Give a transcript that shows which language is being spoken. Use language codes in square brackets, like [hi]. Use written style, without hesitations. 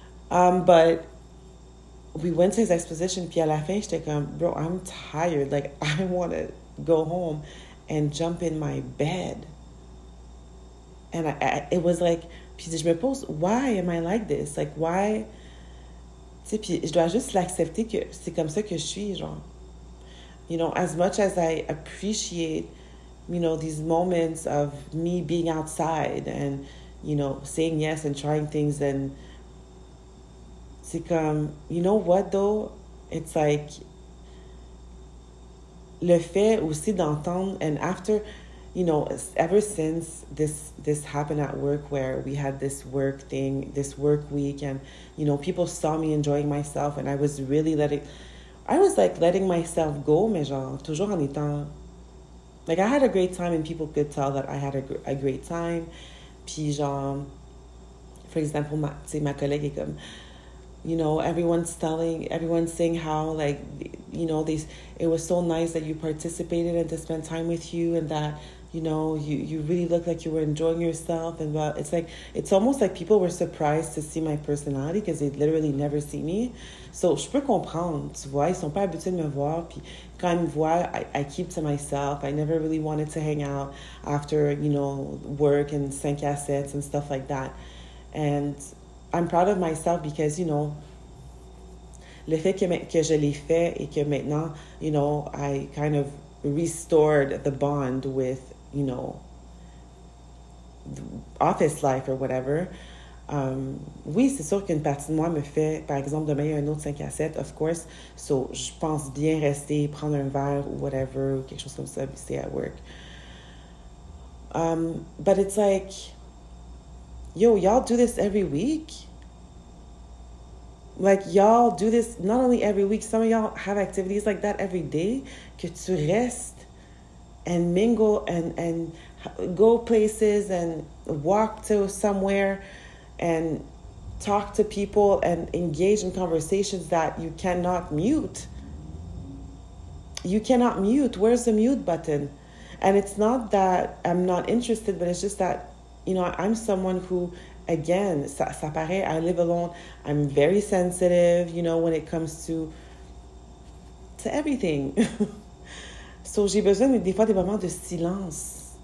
[en] But we went to his exposition, [fr] puis à la fin, j'étais comme, [en] bro, I'm tired. Like, I want to go home and jump in my bed. And it was like, [fr] puis je me pose, [en] why am I like this? Like, why? [fr] Tu sais, puis je dois juste l'accepter que c'est comme ça que je suis, genre. [en] You know, as much as I appreciate, you know, these moments of me being outside and, you know, saying yes and trying things and, [fr] c'est comme, [en] you know what though, it's like, [fr] le fait aussi d'entendre, [en] and after, you know, ever since this happened at work where we had this work thing, this work week, and, you know, people saw me enjoying myself, and I was letting myself go, [fr] mais genre, toujours en étant, [en] like, I had a great time, and people could tell that I had a great time, puis genre, for example, [fr] ma collègue est comme, [en] you know, everyone's saying how, like, you know, it was so nice that you participated and to spend time with you and that, you know, you really looked like you were enjoying yourself. And well, it's like, it's almost like people were surprised to see my personality because they'd literally never see me. [fr] So, je peux comprendre, tu vois, ils sont pas habitués de me voir. Puis quand ils me voient, [en] I keep to myself. I never really wanted to hang out after, you know, work and 5 assets and stuff like that. And I'm proud of myself because, you know, [fr] le fait que je l'ai fait et que maintenant, [en] you know, I kind of restored the bond with, you know, office life or whatever. [fr] Oui, c'est sûr qu'une partie de moi me fait, par exemple, demain, il y a un autre 5 à 7, [en] of course. [fr] So, je pense bien rester, prendre un verre ou whatever, ou quelque chose comme ça, [en] stay at work. But it's like, yo, y'all do this every week? Like, y'all do this not only every week, some of y'all have activities like that every day, [fr] que tu restes [en] and mingle and go places and walk to somewhere and talk to people and engage in conversations that you cannot mute. You cannot mute. Where's the mute button? And it's not that I'm not interested, but it's just that, you know, I'm someone who again, [fr] ça paraît, [en] I live alone. I'm very sensitive, you know, when it comes to everything. [fr] So j'ai besoin des fois des moments de silence.